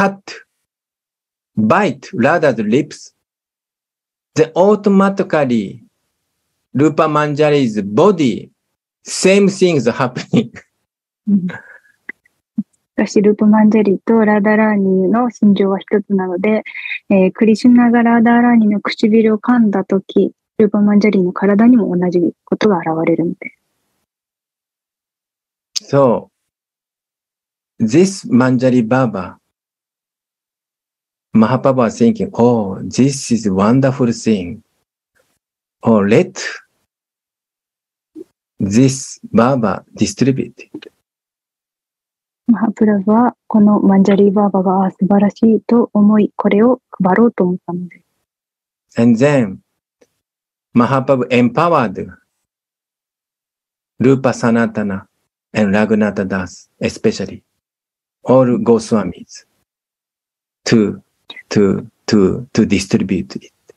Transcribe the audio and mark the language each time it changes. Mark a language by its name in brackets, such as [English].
[English] cut, bite rather than lips, then automatically Rupa Manjari's body, same things are happening. [Japanese] 私、ループマンジャリとラーダーラーニの心情は一つなので、クリシュナがラーダーラーニの唇を噛んだとき、ループマンジャリの体にも同じことが現れるので。 [English] So, this Manjari Baba, Mahaprabhu was thinking, oh, this is a wonderful thing. Oh, let this Baba distribute it. [Japanese] マハプラヴはこのマンジャリーバーバが素晴らしいと思い、これを配ろうと思ったのです [English] And then, マハプラヴ empowered Rupa Sanatana and Raghunatha Das, especially all Goswamis, to distribute it.